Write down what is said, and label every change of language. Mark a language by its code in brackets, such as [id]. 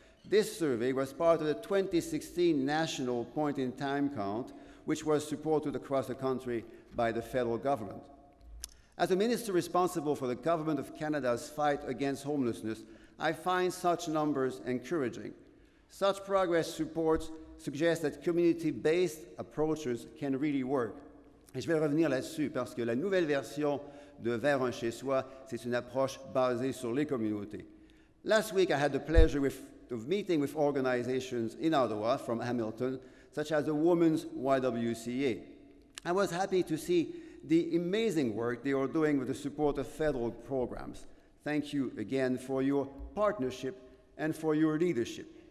[en] This survey was part of the 2016 national point in time count, which was supported across the country by the federal government. As a minister responsible for the Government of Canada's fight against homelessness, I find such numbers encouraging. Such progress suggests that community-based approaches can really work. [fr] Et je vais revenir là-dessus parce que la nouvelle version de Vers un chez soi, c'est une approche basée sur les communautés. [en] Last week, I had the pleasure of meeting with organizations in Ottawa from Hamilton, such as the Women's YWCA. I was happy to see the amazing work they are doing with the support of federal programs. Thank you again for your partnership and for your leadership.